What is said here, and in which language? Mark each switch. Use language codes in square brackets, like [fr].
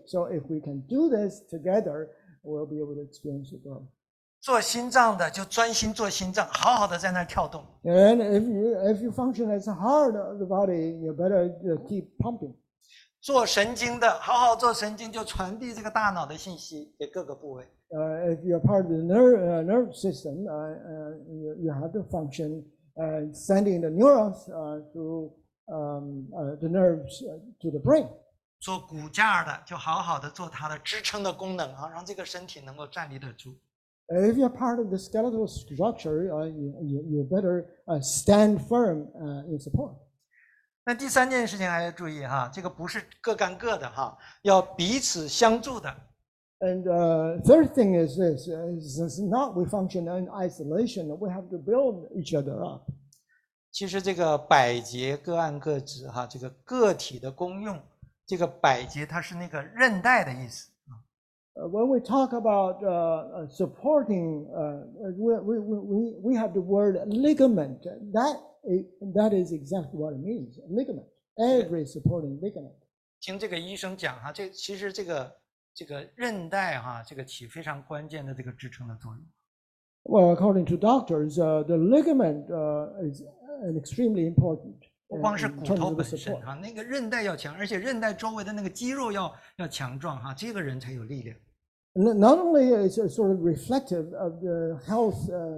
[en] So if we can do this together, we'll be able to experience the growth. [zh] 做心脏的就专心做心脏，好好的在那儿跳动。 [en] And if you function as a heart of the body, you better keep pumping. [zh] 做神经的，好好做神经，就传递这个大脑的信息给各个部位。 [en] If you're part of the nerve system, you have to function sending the neurons the nerves to the brain. [zh] 做骨架的，就好好的做它的支撑的功能啊，让这个身体能够站立得住。 [en] If you're part of the skeletal structure, you better stand firm in support. [zh] 那第三件事情还要注意哈，这个不是各干各的哈，要彼此相助的。 [en] And third thing is this: it's not we function in isolation. We have to build each other up. [zh] 其实这个百节各按各职哈，这个个体的功用，这个百节它是那个韧带的意思。 [en] When we talk about supporting, we have the word ligament. That is exactly what it means. Ligament. Every supporting ligament. [zh] 听这个医生讲哈，这其实这个韧带哈，这个起非常关键的这个支撑的作用。 [en] Well, according to doctors, the ligament is an extremely important. [zh] 不光是骨头本身哈，那个韧带要强，而且韧带周围的那个肌肉要强壮哈，这个人才有力量。 [en] Not only is it sort of reflective of the health